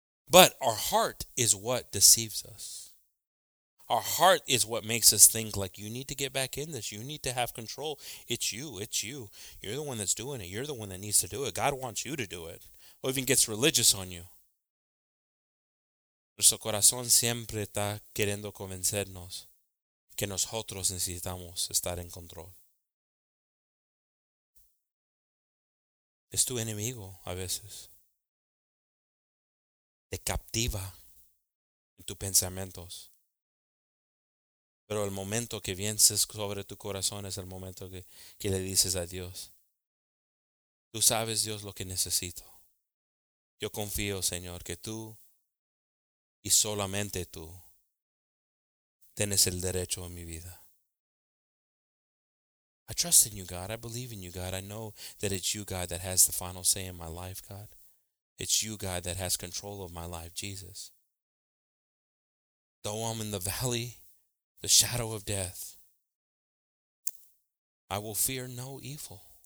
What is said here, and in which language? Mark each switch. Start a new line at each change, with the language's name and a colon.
English: But our heart is what deceives us. Our heart is what makes us think like you need to get back in this. You need to have control. It's you. It's you. You're the one that's doing it. You're the one that needs to do it. God wants you to do it. Or even gets religious on you.
Spanish: Nuestro corazón siempre está queriendo convencernos que nosotros necesitamos estar en control. Es tu enemigo a veces. Te captiva en tus pensamientos. Pero el momento que vienes sobre tu corazón es el momento que le dices a Dios. Tú sabes, Dios, lo que necesito. Yo confío, Señor, que tú y solamente tú tienes el derecho en mi vida.
English: I trust in you, God. I believe in you, God. I know that it's you, God, that has the final say in my life, God. It's you, God, that has control of my life, Jesus. Though I'm in the valley, the shadow of death, I will fear no evil.